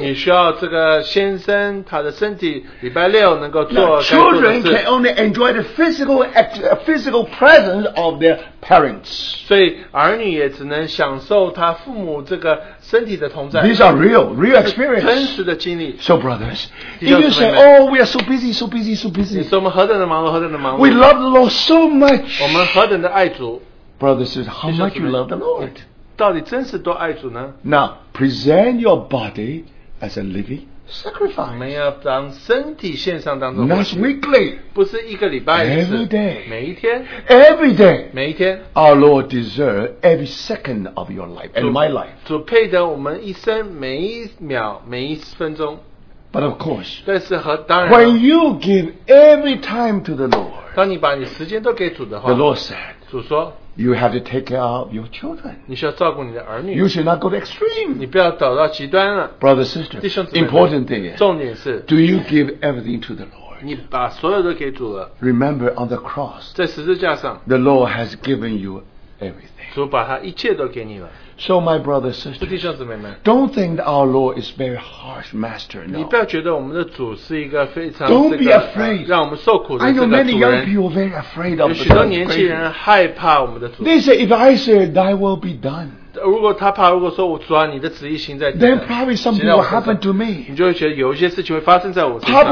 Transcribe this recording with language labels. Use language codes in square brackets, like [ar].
[zh] 你需要这个先生他的身体礼拜六能够做。 [en] Children can only enjoy the physical presence of their parents. [zh] 所以儿女也只能享受他父母这个身体的同在。 [en] These are real experience. [zh] 真实的经历。 [en] So brother. If you say, oh, we are so busy. [zh] 你说我们何等的忙碌，何等的忙碌。 [en] We love the Lord so much. [zh] 我们何等的爱主。 [en] Brother says, how much you love the Lord? [zh] 到底真是多爱主呢？ [en] Now, present your body as a living sacrifice. [zh] 我们要当身体献上当中。 [en] Not weekly. [zh] 不是一个礼拜一次。 [en] Every day. [zh] 每一天。 [en] Every day. [zh] 每一天。 [en] Our Lord deserves every second of your life and my life. [zh] 主配得我们一生每一秒每一分钟。 [en] But of course, [zh] 但是和当然 [en] when you give every time to the Lord, [zh] 当你把你时间都给主的话 [en] the Lord said, [zh] 主说 [en] you have to take care of your children. [zh] 你需要照顾你的儿女。 [en] You should not go to extreme. [zh] 你不要走到极端了。 [en] Brother, sister, [zh] 弟兄姊妹 [en] important thing, [zh] 重点是 [en] do you give everything to the Lord? [zh] 你把所有都给主了。 [en] Remember on the cross, [zh] 在十字架上 [en] the Lord has given you everything. [zh] 主把他一切都给你了。 [en] So my brother, sister, [zh] 弟兄姊妹们, [en] don't think that our Lord is very harsh master, no. [zh] 你不要觉得我们的主是一个非常 [en] Don't be afraid. [zh] 让我们受苦的这个主人。 [en] I know many young people are very afraid of the Lord. [zh] 有许多年轻人害怕我们的主。 [en] They say, if I say, thy will be done. [zh] 如果他怕，如果说我主啊，你的旨意行在。 [en] Then probably something will happen to me. [zh] 你就会觉得有一些事情会发生在我身上。